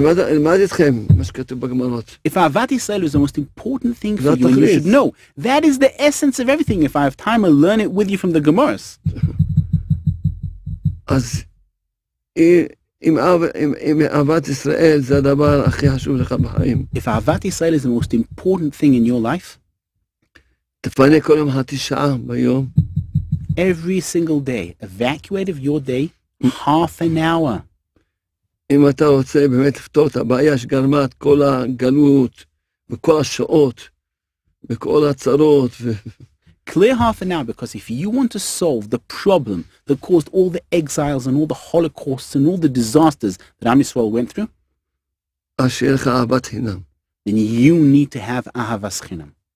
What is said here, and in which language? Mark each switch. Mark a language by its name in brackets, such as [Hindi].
[Hebrew] למד אתכם מה שכתוב בגמרות. [English] If אהבת ישראל is the most important thing for you, you should know. That is the essence of everything. If I have time, I'll learn it with you from the Gemaras. [Hebrew] אז... אם אהבת ישראל זה הדבר הכי חשוב לך בחיים. [English] If אהבת ישראל is the most important thing in your life, [Hebrew] תפנה כל יום חצי שעה ביום. [English] Every single day, evacuate of your day half an hour. [Hebrew] אם אתה רוצה באמת לפתור את הבעיה שגרמה את כל הגלות וכל השעות וכל הצרות ו... [English] Clear half an hour, because if you want to solve the problem that caused all the exiles and all the holocausts and all the disasters that Am Yisrael went through, then you need to have ahavas chinam.